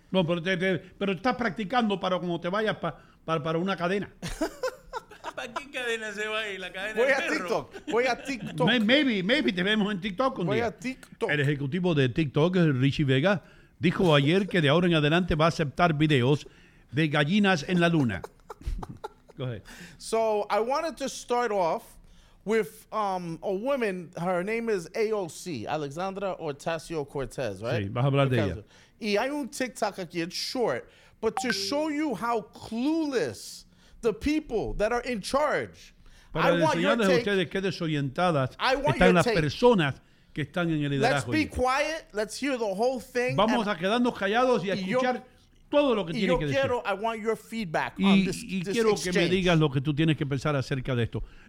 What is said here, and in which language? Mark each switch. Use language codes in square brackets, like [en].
[es] No, pero estás practicando para cuando te vayas para una cadena. ¿Para qué cadena se va ahí? La cadena del perro. Voy a TikTok. [en] Maybe [es] te vemos en TikTok un día. Voy a TikTok. El ejecutivo de TikTok, Richie Vega, dijo ayer que de ahora en adelante va a aceptar videos de gallinas en la luna. [en] Go ahead. So I wanted to start off with a woman. Her name is AOC, Alexandra Ocasio-Cortez, right? [es] Sí, vas a hablar de ella. Y hay un TikTok aquí, [en] it's short, but to show you how clueless the people that are in charge. [es] Para enseñarles a ustedes qué desorientadas están las personas que están en el liderazgo. [en] Let's be quiet. Let's hear the whole thing. [es] Vamos a quedarnos callados y a escuchar todo lo que tiene que decir. [en] I want your feedback on this exchange. [es] Quiero que me digas lo que tú tienes que pensar acerca de esto.